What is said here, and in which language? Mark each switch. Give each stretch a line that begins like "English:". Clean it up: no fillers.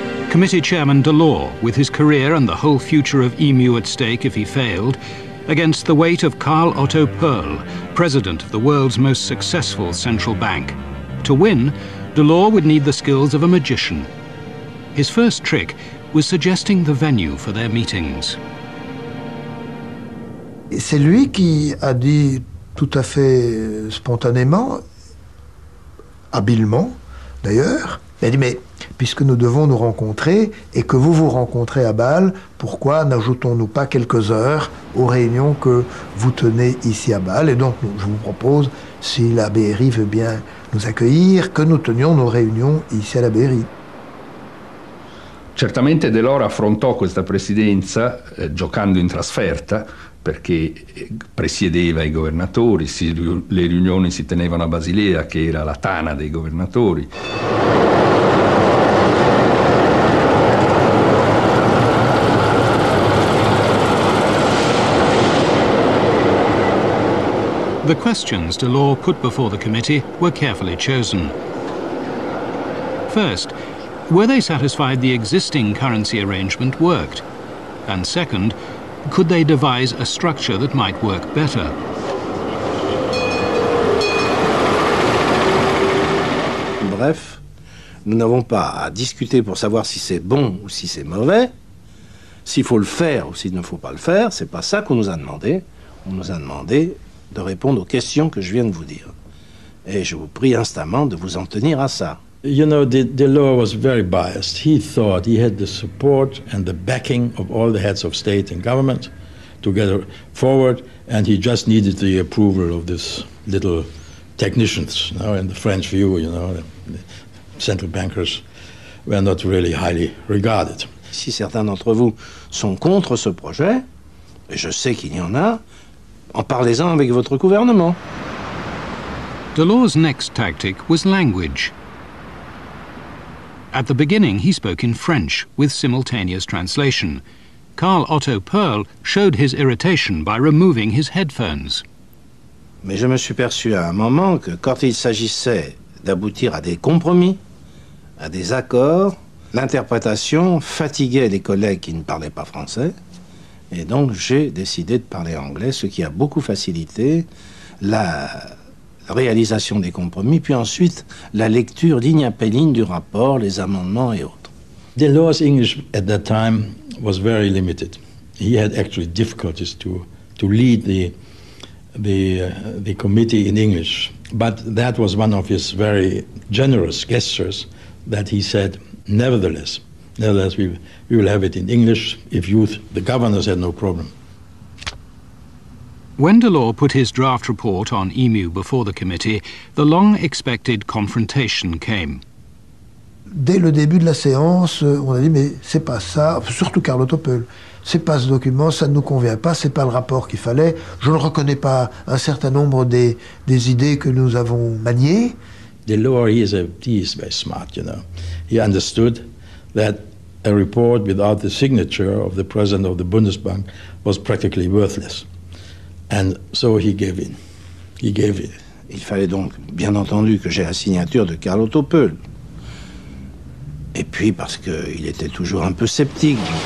English: Committee Chairman Delors, with his career and the whole future of EMU at stake if he failed, against the weight of Karl Otto Perl, president of the world's most successful central bank. To win, Delors would need the skills of a magician. His first trick was suggesting the venue for their meetings.
French: C'est lui qui a dit tout à fait spontanément, habilement d'ailleurs, il a dit mais puisque nous devons nous rencontrer et que vous vous rencontrez à Bâle, pourquoi n'ajoutons-nous pas quelques heures aux réunions que vous tenez ici à Bâle? Et donc, je vous propose, si la BRI veut bien nous accueillir, que nous tenions nos réunions ici à la Bairie.
Italian: Certamente Delors affrontò questa presidenza giocando in trasferta, perché presiedeva i governatori, le riunioni si tenevano a Basilea, che era la tana dei governatori.
English: The questions Delors put before the committee were carefully chosen. First, were they satisfied the existing currency arrangement worked? And second, could they devise a structure that might work better?
French: Bref, nous n'avons pas à discuter pour savoir si c'est bon ou si c'est mauvais, s'il faut le faire ou s'il ne faut pas le faire, c'est pas ça qu'on nous a demandé. On nous a demandé de répondre aux questions que je viens de vous dire. Et je vous prie instamment de vous en tenir à ça.
English: You know, Delors was very biased. He thought he had the support and the backing of all the heads of state and government to get forward, and he just needed the approval of this little technicians, you know, in the French view, you know, the central bankers were not really highly regarded.
French: Si certains d'entre vous sont contre ce projet, et je sais qu'il y en a, en parlez-en avec votre gouvernement.
English: Delors' next tactic was language. At the beginning, he spoke in French with simultaneous translation. Carl Otto Perl showed his irritation by removing his headphones.
French: Mais je me suis perçu à un moment que quand il s'agissait d'aboutir à des compromis, à des accords, l'interprétation fatiguait les collègues qui ne parlaient pas français. Et donc j'ai décidé de parler anglais, ce qui a beaucoup facilité la réalisation des compromis, puis ensuite la lecture ligne après ligne du rapport, les amendements et autres.
English: Delors' English at that time was very limited. He had actually difficulties to lead the committee in English. But that was one of his very generous gestures that he said, nevertheless, we will have it in English if you, the governors, had no problem. When Delors put his draft report on EMU before the committee, the long-expected confrontation came.
French: Dès le début de la séance, on a dit, mais c'est pas ça, surtout Carl Otto Perl, c'est pas ce document, ça ne nous convient pas, c'est pas le rapport qu'il fallait, je ne reconnais pas un certain nombre des idées que nous avons maniées.
English: Delors, he is very smart, you know. He understood that a report without the signature of the president of the Bundesbank was practically worthless. And so he gave in. He gave in.
French: Il fallait donc, bien entendu, que j'aie la signature de Carl Otto Perl. Et puis parce qu'il était toujours un peu sceptique.